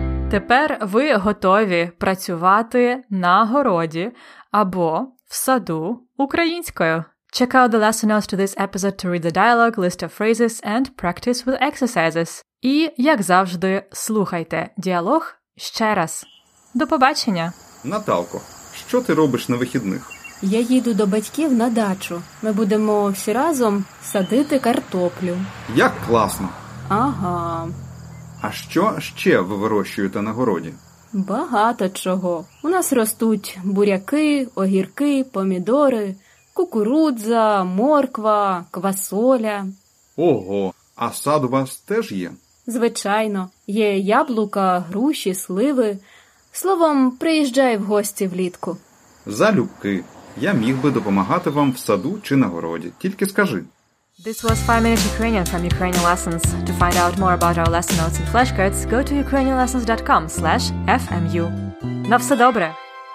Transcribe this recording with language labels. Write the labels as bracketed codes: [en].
[uk] Тепер ви готові працювати на городі або в саду українською. [en] Check out the lesson notes to this episode to read the dialogue, list of phrases and practice with exercises. [uk] І, як завжди, слухайте діалог ще раз. До побачення! Наталко, що ти робиш на вихідних? Я їду до батьків на дачу. Ми будемо всі разом садити картоплю. Як класно! Ага... А що ще ви вирощуєте на городі? Багато чого. У нас ростуть буряки, огірки, помідори, кукурудза, морква, квасоля. Ого, а сад у вас теж є? Звичайно. Є яблука, груші, сливи. Словом, приїжджай в гості влітку. Залюбки. Я міг би допомагати вам в саду чи на городі. Тільки скажи. [en] This was 5 Minutes Ukrainian from Ukrainian Lessons. To find out more about our lesson notes and flashcards, go to ukrainianlessons.com/fmu. [uk] На все добре!